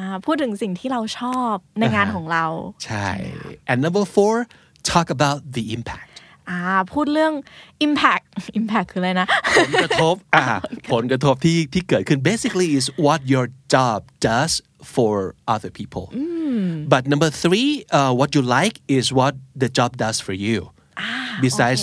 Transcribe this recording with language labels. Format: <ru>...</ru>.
<th>พูดถึงสิ่งที่เราชอบในงานของเรา</th> <en>ใช่ and number four talk about the impact</en> <th>พูดเรื่อง impact คืออะไรนะ ผลกระทบผลกระทบที่เกิดขึ้น</th> <en>basically is what your job does for other people but number three what you like is what the job does for youbesides</en>